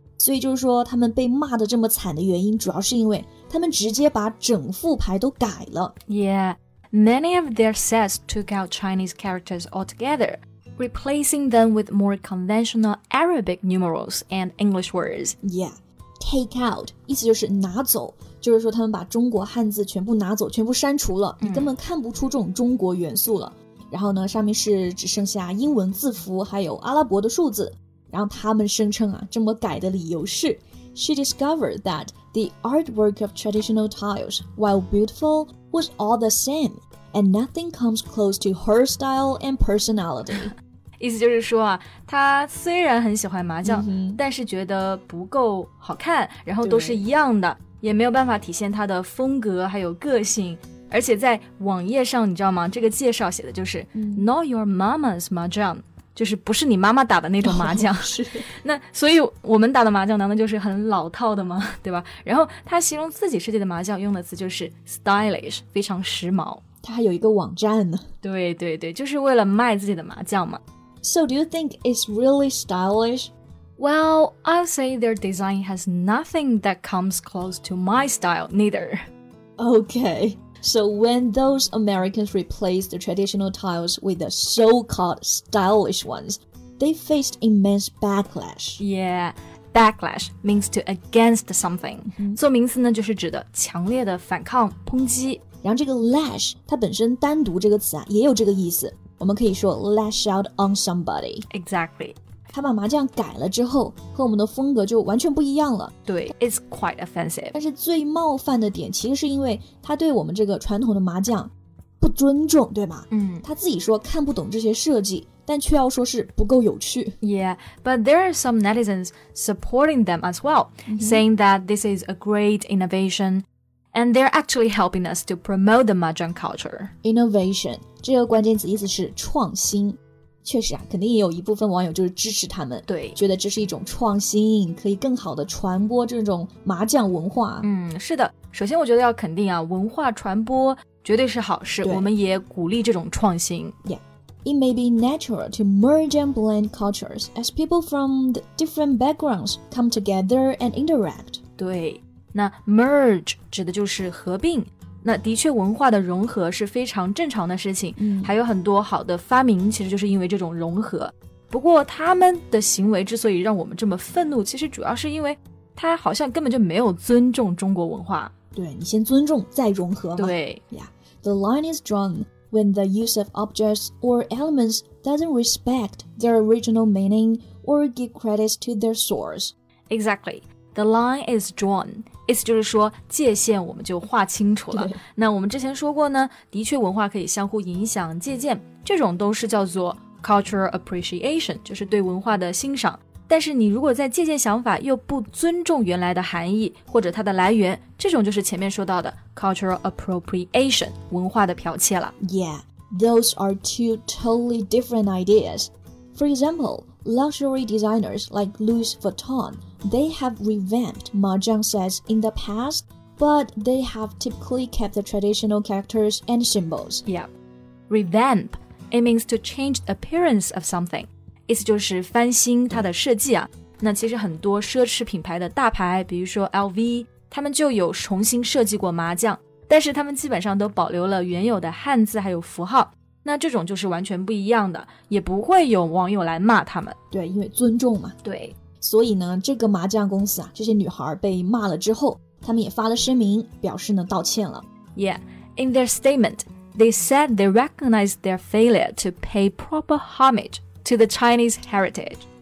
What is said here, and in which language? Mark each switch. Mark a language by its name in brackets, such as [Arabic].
[Chinese] 所以就是说他们被骂得这么惨的原因主要是因为他们直接把整副牌都改了。 [English] Yeah. Many of their sets took out Chinese characters altogether, replacing them with more conventional Arabic numerals and English words. [Chinese] Yeah, take out, 意思就是拿走，就是说他们把中国汉字全部拿走，全部删除了，你根本看不出这种中国元素了。然后呢，上面是只剩下英文字符，还有阿拉伯的数字。然后他们声称啊，这么改的理由是 [English] She discovered that the artwork of traditional tiles, while beautiful, was all the same, and nothing comes close to her style and personality. [Chinese] 意思就是说啊，她虽然很喜欢麻将，但是觉得不够好看，然后都是一样的，也没有办法体现她的风格还有个性。而且在网页上，你知道吗？这个介绍写的就是、 [English] Not your mama's mahjong. [Chinese] 就是不是你妈妈打的那种麻将、是那所以我们打的麻将难道就是很老套的吗对吧然后他形容自己世界的麻将用的词就是 stylish 非常时髦他还有一个网站呢对对对就是为了卖自己的麻将嘛 [English] So do you think it's really stylish? Well, I'll say their design has nothing that comes close to my style neither Okay. So when those Americans replaced the traditional tiles with the so-called stylish ones, they faced immense backlash. Yeah, backlash means to against something. [Chinese] 做名词呢就是指的强烈的反抗、抨击。然后这个 lash, 它本身单独这个词啊也有这个意思。我们可以说 [English] lash out on somebody. Exactly. [Chinese] 他把麻将改了之后和我们的风格就完全不一样了 [English] 对 it's quite offensive [Chinese] 但是最冒犯的点其实是因为他对我们这个传统的麻将不尊重对吗他自己说看不懂这些设计但却要说是不够有趣 [English] Yeah, but there are some netizens supporting them as well saying that this is a great innovation and they're actually helping us to promote the mahjong culture [Chinese] Innovation 这个关键词意思是创新确实啊肯定也有一部分网友就是支持他们对觉得这是一种创新可以更好的传播这种麻将文化是的首先我觉得要肯定啊文化传播绝对是好事我们也鼓励这种创新 [English] Yeah, It may be natural to merge and blend cultures as people from the different backgrounds come together and interact [Chinese] 对那 merge 指的就是合并那的确文化的融合是非常正常的事情还有很多好的发明其实就是因为这种融合不过他们的行为之所以让我们这么愤怒其实主要是因为他好像根本就没有尊重中国文化对你先尊重再融合嘛对 [English] Yeah, The line is drawn when the use of objects or elements doesn't respect their original meaning or give credits to their source Exactly, the line is drawn [Chinese] 意思就是说界限我们就划清楚了那我们之前说过呢的确文化可以相互影响借鉴这种都是叫做 cultural appreciation 就是对文化的欣赏但是你如果在借鉴想法又不尊重原来的含义或者它的来源这种就是前面说到的 cultural appropriation 文化的剽窃了 [English] Yeah, those are two totally different ideas For example, luxury designers like Louis VuittonThey have revamped Mahjong sets in the past, but they have typically kept the traditional characters and symbols. Yeah. Revamp, it means to change the appearance of something. [Chinese] 意思就是翻新它的设计啊。那其实很多奢侈品牌的大牌，比如说 LV, 他们就有重新设计过麻将，但是他们基本上都保留了原有的汉字还有符号。那这种就是完全不一样的，也不会有网友来骂他们。对，因为尊重嘛。对。所以呢这个麻将公司啊这些女孩被骂了之后他们也发了声明表示呢道歉了。 [English] Yeah, in their statement, they said they recognized their failure to pay proper homage to the Chinese heritage.